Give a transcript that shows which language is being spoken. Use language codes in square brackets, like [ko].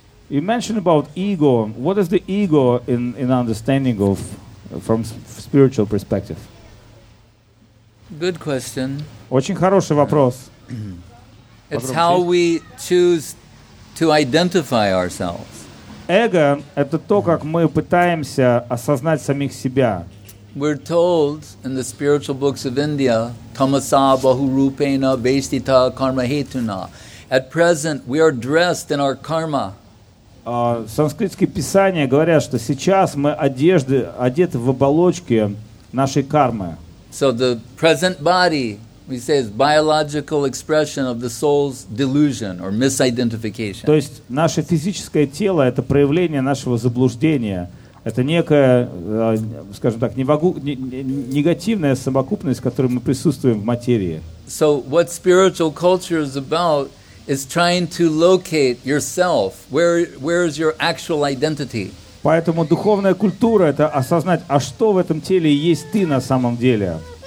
[en] You mentioned about ego. What is the ego in understanding of from spiritual perspective? Good question. [ru] Очень хороший вопрос. [en] It's how we choose to identify ourselves. [ru] Эго — это то, как мы пытаемся осознать самих себя. [en] We're told in the spiritual books of India, [sa] tamasa bahurupena vestita karma hetuna. [en] At present, we are dressed in our karma. [ru] Санскритские писания говорят, что сейчас мы одеты в оболочке нашей кармы. [en] So the present body, we say, is biological expression of the soul's delusion or misidentification. [ru] То есть наше физическое тело — это проявление нашего заблуждения. Это некая, скажем так, негативная совокупность, в которой мы присутствуем в материи. [en] So what spiritual culture is about is trying to locate yourself. Where is your actual identity? [ru] Поэтому духовная культура — это осознать, а что в этом теле есть ты на самом деле.